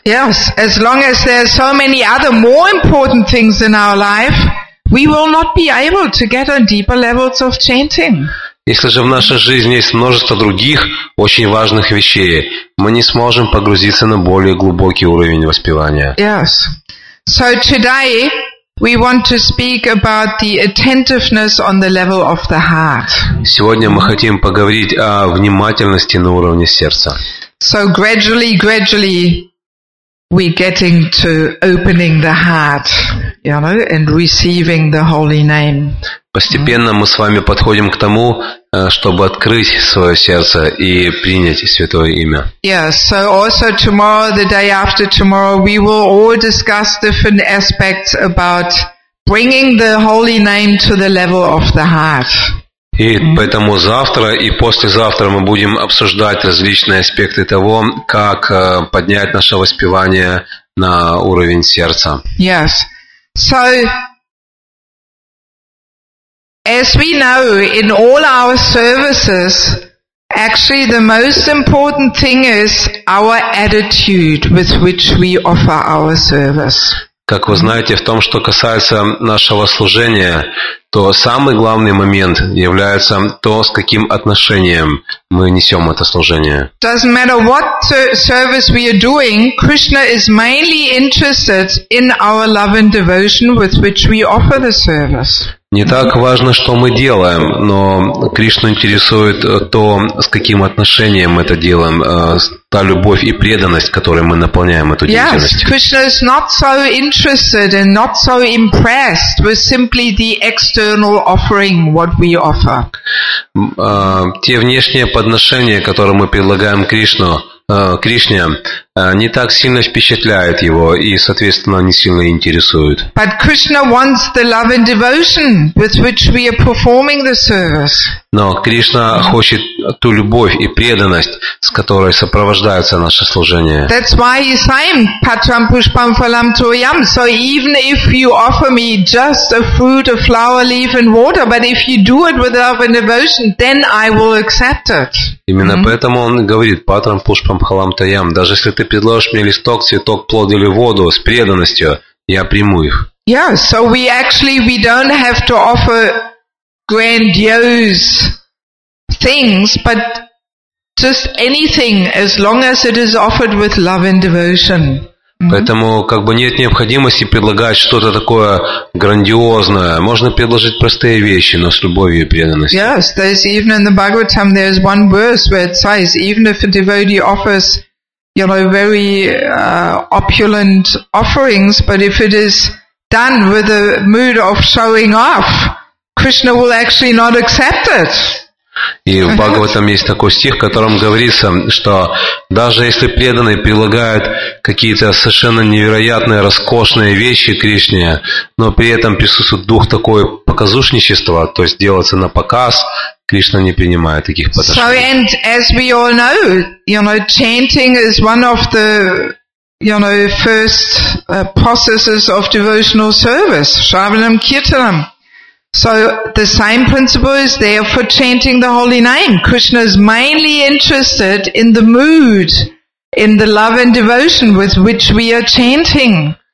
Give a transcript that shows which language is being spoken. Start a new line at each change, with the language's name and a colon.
English: Yes, as long as there are so many other more important things in our life, we will not be able to get on deeper levels of chanting.
Russian: Если же в нашей жизни есть множество других очень важных вещей, мы не сможем погрузиться на более глубокий уровень воспевания.
English: Yes. So today we want to speak about the attentiveness on the level of the heart.
Russian: Сегодня мы хотим поговорить о внимательности на уровне сердца.
English: So gradually we're getting to opening the heart, you know, and receiving the holy name.
Russian: Постепенно мы с вами подходим к тому, чтобы открыть свое сердце и принять святое имя.
English: Yes, so also tomorrow, the day after tomorrow, we will all discuss different aspects about bringing the holy name to the level of the heart.
Russian: И поэтому завтра и послезавтра мы будем обсуждать различные аспекты того, как поднять наше воспевание на уровень сердца.
English: Yes. So, as we know, in all our services, actually the most important thing is our attitude with which we offer our service.
Russian: Как вы знаете, в том, что касается нашего служения, то самый главный момент является то, с каким отношением мы несем это служение.
English: Doesn't matter what service we are doing, Krishna is mainly interested in our love and devotion with which we offer the service.
Russian: Не так важно, что мы делаем, но Кришну интересует то, с каким отношением мы это делаем, та любовь и преданность, которой мы наполняем эту деятельность.
English: Yes, Krishna is not so interested and not so impressed with simply the external offering what we offer.
Russian: Те внешние подношения, которые мы предлагаем Кришне, не так сильно впечатляет его и, соответственно, не сильно интересует.
English: But Krishna wants the love and devotion with which we are performing the service.
Russian: Но Кришна хочет ту любовь и преданность, с которой сопровождается наше служение.
English: That's why he's saying
Sanskrit: patram pushpam phalam toyam.
English: So even if you offer me just a fruit, a flower, leaf and water, but if you do it with love and devotion, then I will accept it.
Russian: Именно поэтому он говорит
Sanskrit: патрам пушпам халам таям.
Russian: Даже если ты предложишь мне листок, цветок, плод или воду с преданностью, я приму их.
English: Yeah, so we actually we don't have to offer grandiose things, but just anything as long as it is offered with love and devotion.
Russian: Поэтому как бы нет необходимости предлагать что-то такое грандиозное. Можно предложить простые вещи, но с любовью и преданностью.
English: Yes, there is even in the Bhagavatam there is one verse where it says even if a devotee offers, you know, very opulent offerings, but if it is done with a mood of showing off, Krishna will actually not accept it.
Russian: И в Бхагаватам есть такой стих, в котором говорится, что даже если преданные прилагают какие-то совершенно невероятные, роскошные вещи Кришне, но при этом присутствует дух такой показушничества, то есть делается на показ, Кришна не принимает таких подношений.
English: So, and as we all know, you know, chanting is one of the, you know, first processes of devotional service, Shravanam Kirtanam. So the same principle is there for chanting the holy name. Krishna is mainly interested in the mood, in the love and devotion with which we are chanting.